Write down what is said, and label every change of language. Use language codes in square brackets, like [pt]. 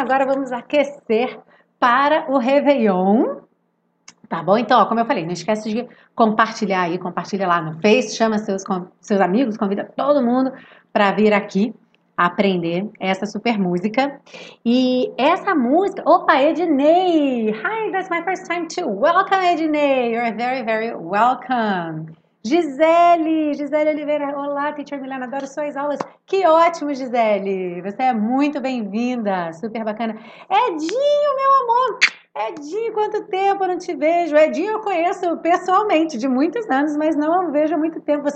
[pt] Agora vamos aquecer para o Réveillon. Tá bom? Então, ó, como eu falei, não esquece de compartilhar aí. Compartilha lá no Face, chama seus amigos, convida todo mundo para vir aqui aprender essa super música. E essa música... Opa, Ednei! [en] Hi, that's my first time to welcome, Ednei! You're very, very welcome! [pt] Gisele Oliveira! Olá, teacher Milena, adoro suas aulas! Que ótimo, Gisele! Você é muito bem-vinda! Super bacana! Edinho, meu amor! Edinho, quanto tempo eu não te vejo! Edinho, eu conheço pessoalmente de muitos anos, mas não vejo há muito tempo.